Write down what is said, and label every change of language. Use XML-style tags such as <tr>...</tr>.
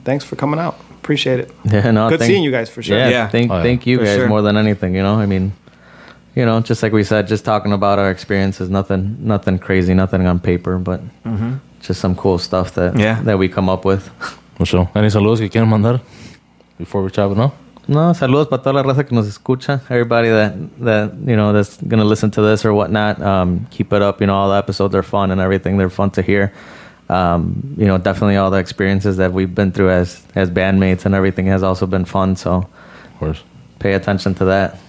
<en>Thanks for coming out. Appreciate it. Yeah, no. Good seeing you guys for sure. Yeah. Thank you guys more than anything. You know, I mean, you know, just like we said, just talking about our experiences. Nothing crazy. Nothing on paper, but just some cool stuff that we come up with. For sure. Any</en> <es>saludos que quieran mandar</es> <en>before we chop it up?</en> <es>No, saludos para toda la raza que nos escucha.</es> <en>Everybody that you know that's gonna listen to this or whatnot. Keep it up. You know, all the episodes are fun and everything. They're fun to hear. You know, definitely all the experiences that we've been through as bandmates and everything has also been fun. So, of course, pay attention to that.</en>